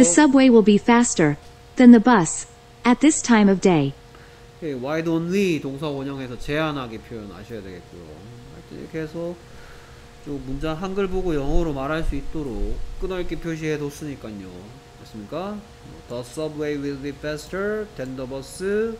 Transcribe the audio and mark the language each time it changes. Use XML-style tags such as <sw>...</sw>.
<en>subway will be faster than the bus at this time of day. Why don't we</en> <ko>동사 원형에서 제안하기 표현 아셔야 되겠고요. 하여튼 이렇게 해서 쭉 문장 한글 보고 영어로 말할 수 있도록 끊어읽기 표시해 뒀으니까요. 맞습니까?</ko> <en>The subway will be faster than the bus.</en>